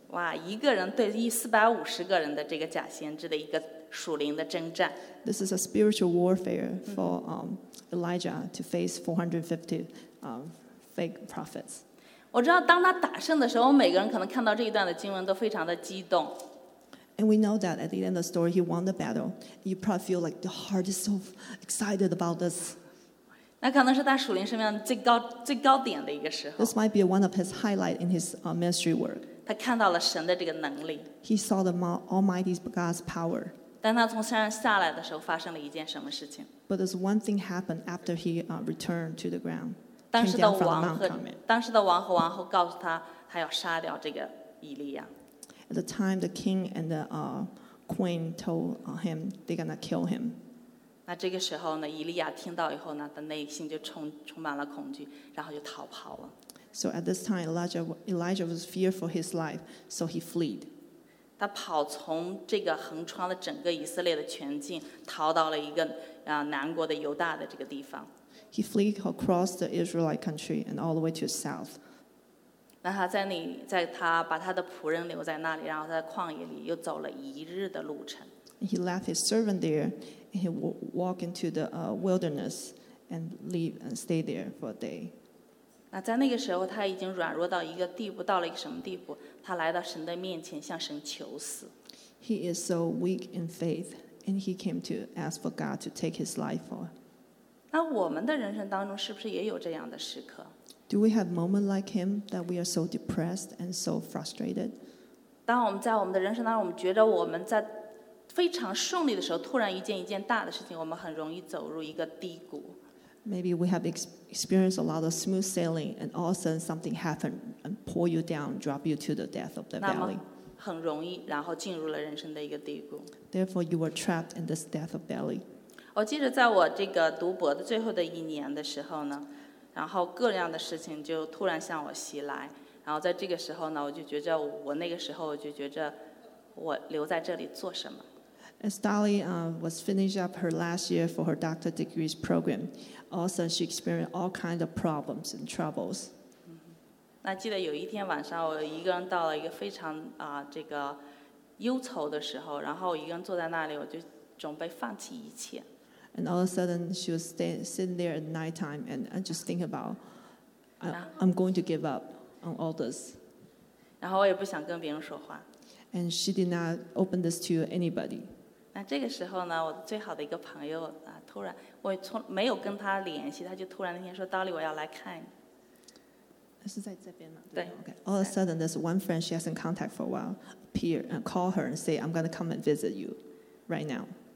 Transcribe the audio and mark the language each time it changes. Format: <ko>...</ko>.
<zh>哇，一个人对一四百五十个人的这个假先知的一个属灵的征战。</zh> <en>This is a spiritual warfare for Elijah to face 450 fake prophets.</en> <zh>我知道，当他打胜的时候，每个人可能看到这一段的经文都非常的激动。</zh> <en>And we know that at the end of the story, he won the battle. You probably feel like the heart is so excited about this.</en> <zh>那可能是他属灵生命最高点的一个时候。</zh> <en>This might be one of his highlights in his ministry work.</en> <zh>他看到了神的这个能力。</zh> <en>He saw the Almighty God's power.</en> <zh>但他从山上下来的时候，发生了一件什么事情？</zh> <en>But there's one thing happened after he returned to the ground.</en> <zh>当时的王和王后告诉他，他要杀掉这个以利亚。</zh> <en>At the time, the king and the queen told him they're gonna kill him.</en> <zh>那这个时候呢，以利亚听到以后呢，他内心就充满了恐惧，然后就逃跑了。</zh> <en>So at this time, Elijah was feared for his life, so he fled.</en> <zh>他跑从这个横穿了整个以色列的全境，逃到了一个南国的犹大的这个地方。</zh> <en>He fled across the Israelite country and all the way to the south.</en> <zh>那他在那，在他把他的仆人留在那里，然后他在旷野里又走了一日的路程。</zh> <en>He left his servant there, and he walked into the wilderness and leave and stay there for a day.</en> <zh>那在那个时候，他已经软弱到一个地步，到了一个什么地步？他来到神的面前，向神求死。</zh> <en>He is so weak in faith, and he came to ask for God to take his life for.</en> <zh>那我们的人生当中，是不是也有这样的时刻？</zh> <en>Do we have moments like him that we are so depressed and so frustrated?</en> <zh>当我们在我们的人生当中，我们觉得我们在非常顺利的时候，突然遇见一件大的事情，我们很容易走入一个低谷。</zh> <en>Maybe we have experienced a lot of smooth sailing, and all of a sudden something happened and pull you down, drop you to the depth of the valley.</en> <zh>很容易，然后进入了人生的一个低谷。</zh> <en>Therefore, you were trapped in this depth of valley.</en> <zh>我记得在我这个读博的最后的一年的时候呢。然后各样的事情就突然向我袭来，然后在这个时候呢，我就觉着我那个时候我就觉着我留在这里做什么。</zh> <en>As Dolly was finishing up her last year for her doctorate degrees program, all of a sudden she experienced all kinds of problems and troubles.</en> <zh>那记得有一天晚上，我一个人到了一个非常这个忧愁的时候，然后我一个人坐在那里，我就准备放弃一切。</zh> <en>And all of a sudden, she was sitting there at night time and just thinking about, I'm going to give up on all this.</en> <zh>然后我也不想跟别人说话。</zh> <en>And she did not open this to anybody.</en> <zh>那这个时候呢，我最好的一个朋友啊，突然我从没有跟他联系，他就突然那天说 ，Dolly， 我要来看你。是在这边吗？对。</zh> <en>Okay. All of a sudden, there's one friend she hasn't contacted for a while, appear and call her and say, I'm going to come and visit you, right now.</en>